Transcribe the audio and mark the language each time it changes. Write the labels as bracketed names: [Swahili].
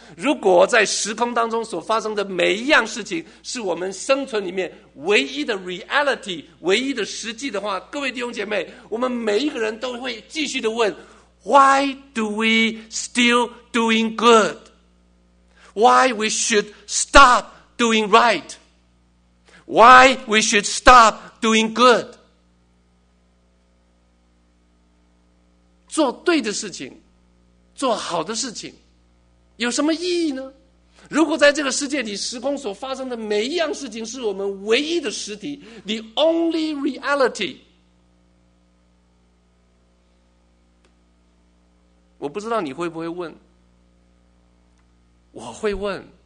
[Chinese] 如果在时空当中所发生的每一样事情是我们生存里面唯一的 reality, 唯一的实际的话，各位弟兄姐妹，我们每一个人都会继续的问 [English] Why do we still doing goodWhy we should stop doing right? Why we should stop doing good? [Chinese] 做对的事情，做好的事情，有什么意义呢？如果在这个世界里，时空所发生的每一样事情是我们唯一的实体 , [English] the only reality, [Chinese] 我不知道你会不会问，我会问，